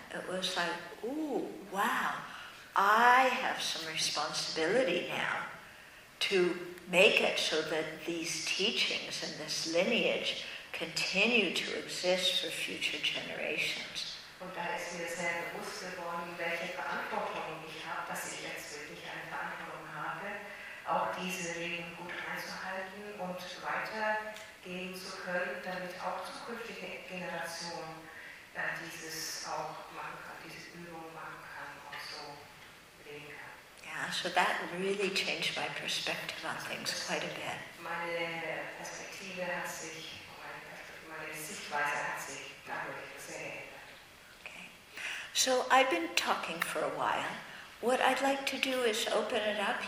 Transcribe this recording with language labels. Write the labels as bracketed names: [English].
[English] It was like, ooh, wow, I have some responsibility now to make it so that these teachings and this lineage continue to exist for future generations. [German] Und da ist mir sehr bewusst geworden, welche Verantwortung ich habe, dass ich jetzt wirklich eine Verantwortung habe, auch diese Regeln gut einzuhalten und weiter gehen zu können, damit auch zukünftige Generationen dieses auch machen kann, diese Übungen machen kann und so leben kann. [English] Yeah, so that really changed my perspective on things quite a bit. [German] Meine Sichtweise hat sich dadurch sehr geändert. [English] Okay. So I've been talking for a while. What I'd like to do is open it up.